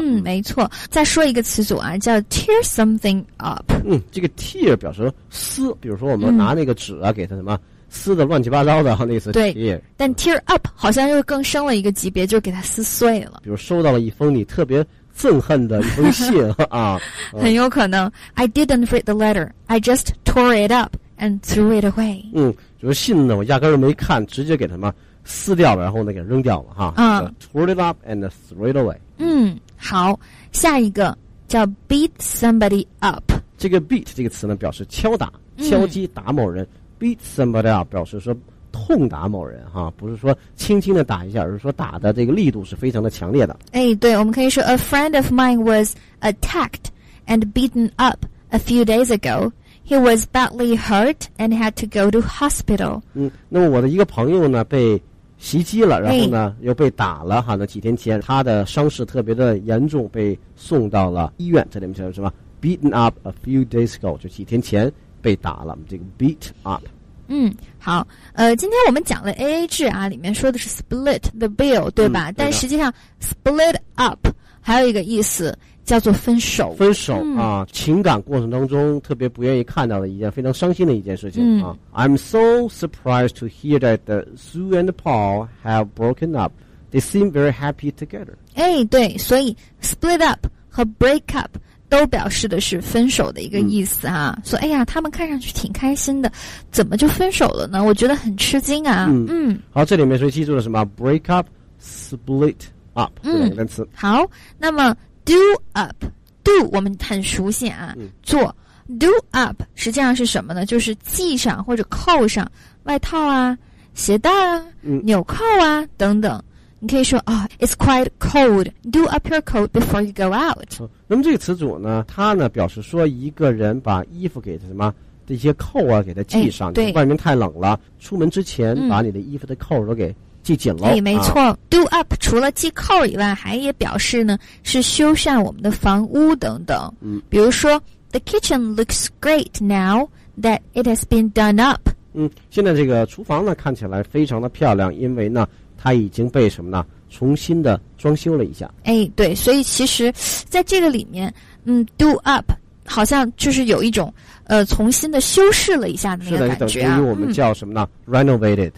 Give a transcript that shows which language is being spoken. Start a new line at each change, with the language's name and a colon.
Chinese: 嗯，没错。再说一个词组啊，叫 tear something up。嗯，这个 tear 表示撕，比如说我们拿那个纸啊、嗯、给它什么撕的乱七八糟的那意思。对，但 tear up 好像又更升了一个级别，就是给它撕碎了。比如收到了一封你特别憎恨的一封信啊，很有可能。
English: I didn't read the letter. I just tore it up and threw it away.
Chinese: 嗯，就是信呢，我压根儿没看，直接给他们撕掉了，然后呢给扔掉了哈。嗯、
English: tore it up and threw it away。
Chinese: 嗯，好，下一个叫 beat somebody up。这个 beat 这个词呢，表示敲打、敲击、打某人。嗯， beat somebody up 表示说痛打某人哈，不是说轻轻的打一下，而是说打的这个力度是非常的强烈的。哎，对，我们可以说
English: a friend of mine was attacked and beaten up a few days ago. He was badly hurt and had to go to hospital.
Chinese: 嗯，那么我的一个朋友呢被袭击了，然后呢、哎、又被打了哈，那几天前他的伤势特别的严重，被送到了医院。这里面叫什么
English: beaten up a few days ago，
Chinese: 就几天前被打了，这个 beat up。嗯，好，今天我们讲了 AA 制啊，里面说的是
English: split the bill
Chinese: 对吧、嗯、对，但实际上 split up 还有一个意思叫做分手。分手、嗯、啊，情感过程当中特别不愿意看到的一件非常伤心的一件事情、嗯、啊。
English: I'm so surprised to hear that the Sue and Paul have broken up. They seem very happy together.
Chinese: 哎，对，所以 split up 和 break up都表示的是分手的一个意思啊、嗯、说哎呀他们看上去挺开心的，怎么就分手了呢？我觉得很吃惊啊。嗯，嗯，好，这里面是记住了什么 break up split up、嗯、两个单词。好，那么 do up， do 我们很熟悉啊、嗯、做 do up 实际上是什么呢，就是系上或者扣上外套啊、鞋带啊、嗯、纽扣啊等等。你可以说啊、
English: oh, ，It's quite cold. Do up your coat before you go out.、
Chinese: 哦、那么这个词组呢，它呢表示说一个人把衣服给他什么这些扣啊给他系上。哎、对，外面太冷了，出门之前把你的衣服的扣都给系紧了。对、嗯没错。 Do up 除了系扣以外，还也表示呢是修缮我们的房屋等等。嗯，比如说
English: ，The kitchen looks great now that it has been done up.
Chinese: 嗯，现在这个厨房呢看起来非常的漂亮，因为呢，它已经被什么呢重新的装修了一下。哎，对，所以其实在这个里面嗯 do up 好像就是有一种重新的修饰了一下的那个感觉、啊、是的，等于我们叫什么呢、嗯、renovated。